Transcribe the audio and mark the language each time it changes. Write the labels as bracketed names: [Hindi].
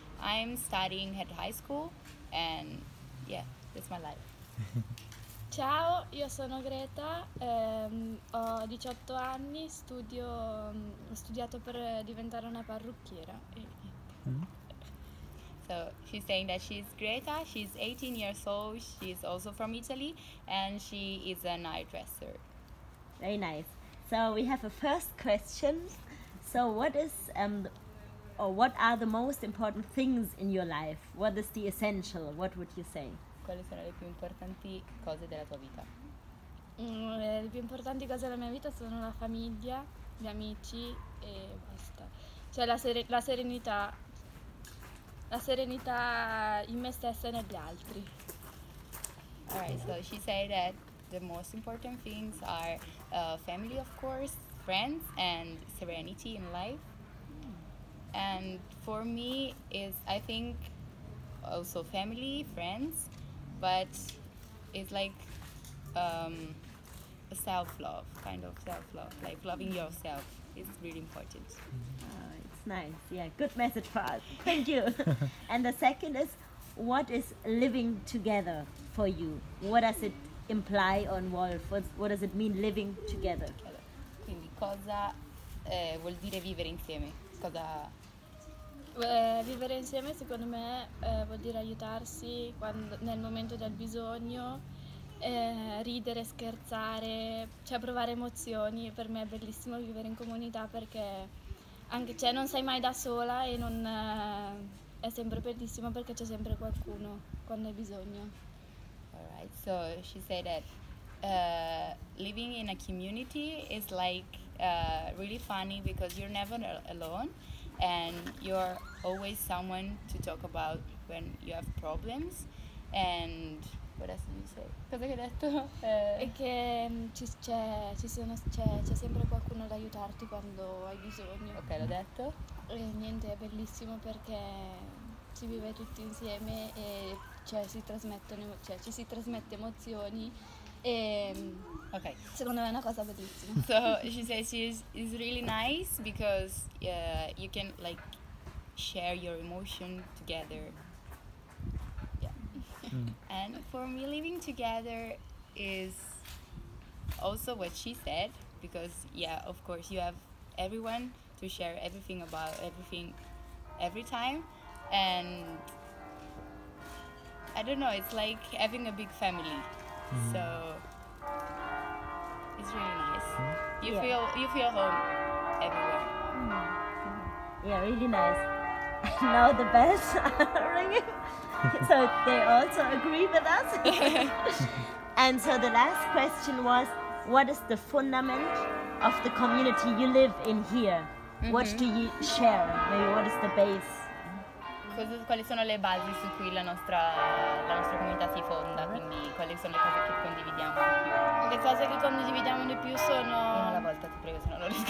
[English] I'm studying at high school and yeah, that's my life. [Italian] Ciao, io sono Greta, ho 18 anni, studio, ho studiato per diventare una parrucchiera. [English] So she's saying that she's Greta, she's 18 years old, she's also from Italy, and she is an hairdresser. Very nice. So we have a first question. So what is, or what are the most important things in your life? What is the essential? What would you say? [Italian] Quali sono le più importanti cose della tua vita? Le più importanti cose della mia vita sono la famiglia, gli amici e basta. Cioè la serenità in me stessa e negli altri. [English] Alright, so she said that the most important things are family, of course, friends and serenity in life. And for me is, I think, also family, friends. But it's like self-love, kind of self-love, like loving yourself is really important. Oh, it's nice. Yeah, good message for us. Thank you. And the second is, what is living together for you? What does it imply on Wolf? What does it mean living together? [Italian] Quindi cosa vuol dire vivere insieme? Cosa Vivere insieme secondo me vuol dire aiutarsi quando, nel momento del bisogno, ridere, scherzare, cioè provare emozioni. Per me è bellissimo vivere in comunità perché anche, cioè, non sei mai da sola e non, è sempre bellissimo perché c'è sempre qualcuno quando hai bisogno. [English] Alright, so she said that living in a community is like really funny because you're never alone. And you're always someone to talk about when you have problems. And what else did you say? [Italian] Cosa hai detto? E che c'è sempre qualcuno ad aiutarti quando hai bisogno. Ok, l'ho detto. E niente, è bellissimo perché si vive tutti insieme e cioè ci si trasmette emozioni. [English] Okay. [Italian] Secondo me è una cosa bellissima. [English] So she says she is really nice because you can like share your emotion together. Yeah. Mm. And for me, living together is also what she said because yeah, of course you have everyone to share everything about everything every time, and I don't know. It's like having a big family. Mm-hmm. So it's really nice. Mm-hmm. You feel home everywhere. Mm-hmm. Yeah, really nice. Now the bells are ringing. So they also agree with us. And so the last question was, what is the fundament of the community you live in here? Mm-hmm. What do you share? Maybe what is the base? [Italian] Quali sono le basi su cui la nostra comunità si fonda, quindi quali sono le cose che condividiamo di più? Le cose che condividiamo di più sono... Una volta ti prego, se no non riesco.